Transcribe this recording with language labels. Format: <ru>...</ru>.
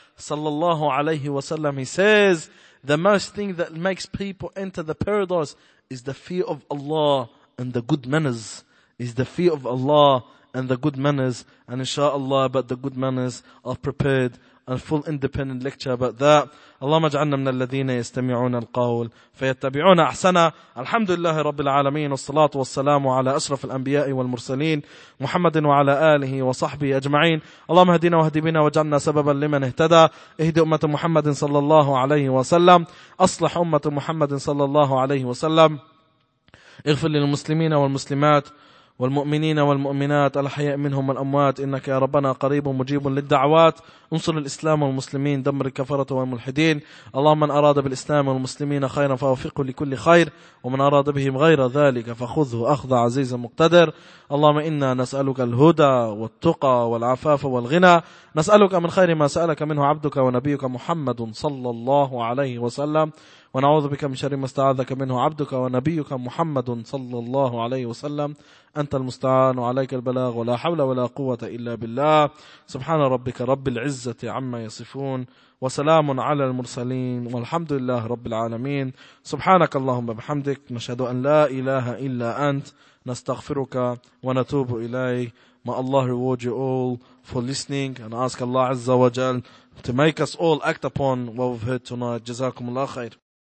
<en>sallallahu alayhi wa sallam he says the most thing that makes people enter the paradise is the fear of Allah and the good manners is the fear of Allah and the good manners and inshallah about the good manners I've prepared a full independent lecture about that</en> <ar>اللهم اجعلنا من الذين يستمعون القول فيتبعون أحسنا الحمد لله رب العالمين والصلاة والسلام على أشرف الأنبياء والمرسلين محمد وعلى آله وصحبه أجمعين اللهم اهدنا واهد بنا واجعلنا سببا لمن اهتدى اهد أمة محمد صلى الله عليه وسلم أصلح أمة محمد صلى الله عليه وسلم اغفر للمسلمين والمسلمات والمؤمنين والمؤمنات الأحياء منهم الأموات، إنك يا ربنا قريب مجيب للدعوات. انصر الإسلام والمسلمين، دمر الكفرة والملحدين. اللهم من أراد بالإسلام والمسلمين خيرا فأوفقه لكل خير، ومن أراد بهم غير ذلك فخذه أخذ عزيز مقتدر. اللهم إنا نسألك الهدى والتقى والعفاف والغنى، نسألك من خير ما سألك منه عبدك ونبيك محمد صلى الله عليه وسلم، ونعوذ بك من شر ما استعاذك منه عبدك ونبيك محمد صلى الله عليه وسلم. أنت المستعان وعليك البلاغ، ولا حول ولا قوة إلا بالله. سبحان ربك رب العزة عما يصفون، وسلام على المرسلين، والحمد لله رب العالمين. سبحانك اللهم بحمدك، نشهد أن لا إله إلا أنت، نستغفرك ونتوب إليك.</ar> <en>May Allah reward you all for listening, and ask Allah Azza wa Jal to make us all act upon what we've heard tonight. Jazakumullah khair.</en>